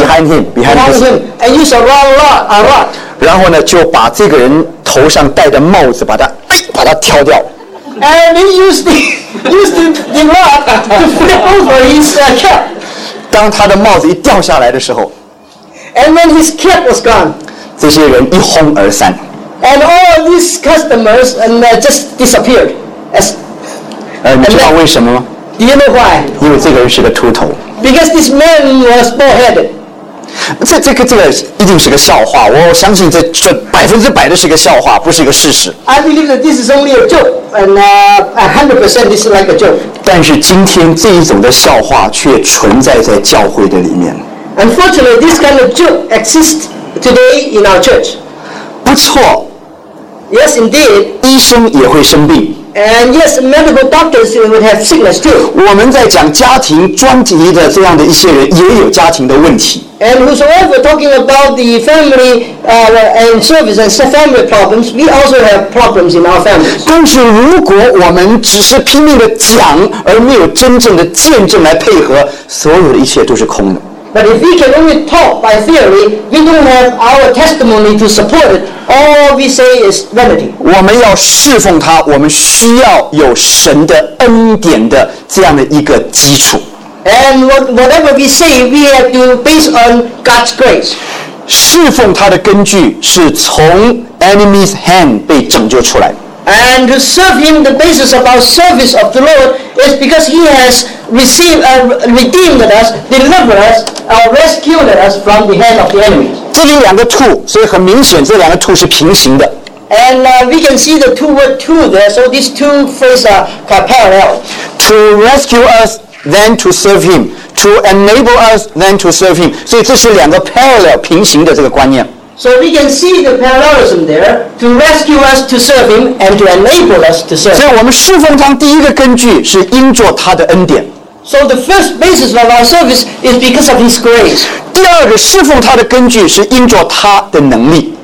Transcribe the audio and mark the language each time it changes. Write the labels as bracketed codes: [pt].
[en] behind him, and use a rod. [zh] 然后呢，就把这个人头上戴的帽子，把他挑掉。 [en] And he used the rod to flip over his cap. [zh] 当他的帽子一掉下来的时候 [en] ，And when his cap was gone, [zh] 这些人一哄而散。 [en] And all these customers and just disappeared. As [zh] 你知道为什么吗？ [en] Do you know why? [zh] 因为这个人是个秃头。 [en] Because this man was bald-headed. [zh] 这个一定是个笑话。我相信这100%的是个笑话，不是一个事实。 [en] I believe that this is only a joke, and 100% this is like a joke. [zh] 但是今天这一种的笑话却存在在教会的里面。 [en] Unfortunately, this kind of joke exists today in our church. [zh] 不错。 [en] Yes, indeed. [zh] 医生也会生病。 [en] And yes, medical doctors would have sickness too. [zh] 我们在讲家庭专辑的这样的一些人也有家庭的问题。 [en] And whosoever talking about the family and service and family problems, we also have problems in our families. [zh] 但是如果我们只是拼命的讲而没有真正的见证来配合，所有的一切都是空的。 [en] But if we can only talk by theory, we don't have our testimony to support it. All we say is vanity. [zh] 我们要侍奉他，我们需要有神的恩典的这样的一个基础。 [en] And whatever we say, we have to base on God's grace. [zh] 侍奉他的根据是从 [en] enemy's hand [zh] 被拯救出来。 [en] And to serve him, the basis of our service of the Lord is because he has received and redeemed us, delivered us, and rescued us from the hand of the enemy. [zh] 这里两个 two, 所以很明显这两个 two 是平行的。 [en] And we can see the two word two there, so these two phrases are parallel. To rescue us, then to serve him. To enable us, then to serve him. [zh] 所以这是两个 parallel, 平行的这个观念。 [en] So we can see the parallelism there to rescue us, to serve him, and to enable us to serve. [zh] 所以我们侍奉他第一个根据是因着他的恩典。 [en] So the first basis of our service is because of his grace. [zh] 第二个侍奉他的根据是因着他的能力。